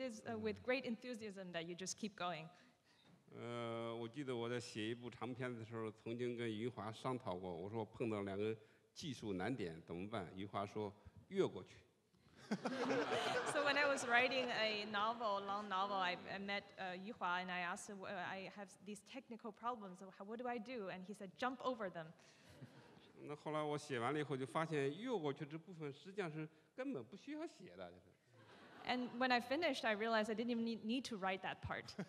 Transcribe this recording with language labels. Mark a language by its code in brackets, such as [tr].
[en] is with great enthusiasm that you just keep going. [zh] 我记得我在写一部长篇的时候，曾经跟余华商讨过，我说碰到两个。技术难点怎么办？余华说，越过去。 [en] So when I was writing a novel, long novel, I met Yuhua and I asked, I have these technical problems. So what do I do? And he said, jump over them. [zh] 那后来我写完了以后，就发现越过去这部分实际上是根本不需要写的。 [en] And when I finished, I realized I didn't even need to write that part.